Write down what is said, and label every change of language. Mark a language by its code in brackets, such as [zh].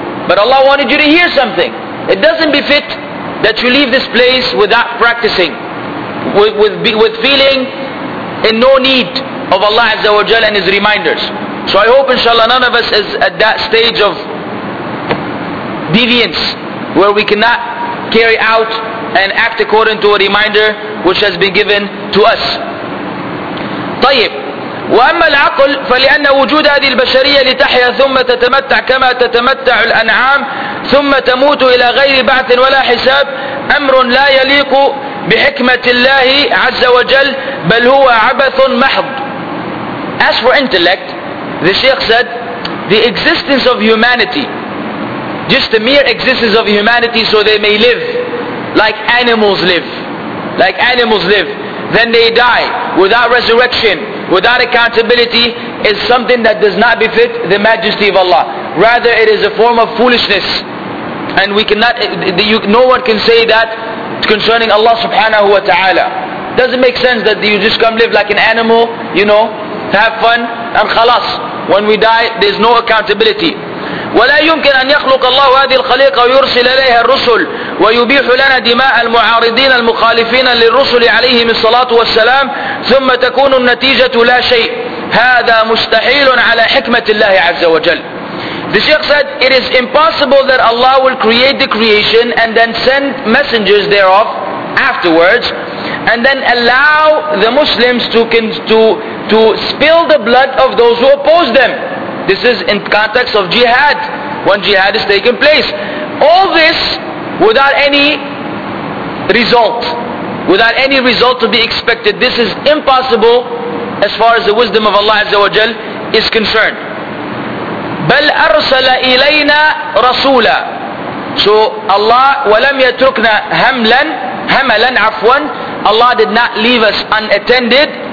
[en] But Allah wanted you to hear something. It doesn't befit that you leave this place without practicing, with feeling in no need of Allah Azza wa Jalla and His reminders. So I hope, inshallah, none of us is at that stage of deviance where we cannot carry out and act according to a reminder which has been given to us. طيب. [ar] وأما العقل فلأن وجود هذه البشرية لتحيا ثم تتمتع كما تتمتع الأنعام ثم تموت إلى غير بعث ولا حساب أمر لا يليق بحكمة الله عز وجل بل هو عبث محض. [en] As for intellect, the Shaykh said, the existence of humanity, just the mere existence of humanity, so they may live like animals live, then they die without resurrection, without accountability, is something that does not befit the majesty of Allah. Rather, it is a form of foolishness. And we cannot, no one can say that concerning Allah subhanahu wa ta'ala. Doesn't make sense that you just come live like an animal, you know, have fun, and khalas. When we die, there's no accountability. [ar] ولا يمكن أن يخلق الله هذه الخليقة ويرسل إليها الرسل ويبيح لنا دماء المعارضين المخالفين للرسل عليهم الصلاة والسلام ثم تكون النتيجة لا شيء هذا مستحيل على حكمة الله عز وجل. [en] The Shaykh said, it is impossible that Allah will create the creation and then send messengers thereof afterwards and then allow the Muslims to spill the blood of those who oppose them. This is in context of jihad, when jihad is taking place. All this without any result, without any result to be expected. This is impossible as far as the wisdom of Allah Azza wa Jal is concerned. [ar] بَلْ أَرْسَلَ إِلَيْنَا رَسُولًا. [en] So Allah, [ar] وَلَمْ يَتُرْكْنَا هَمَلًا عَفْوًا. [en] Allah did not leave us unattended.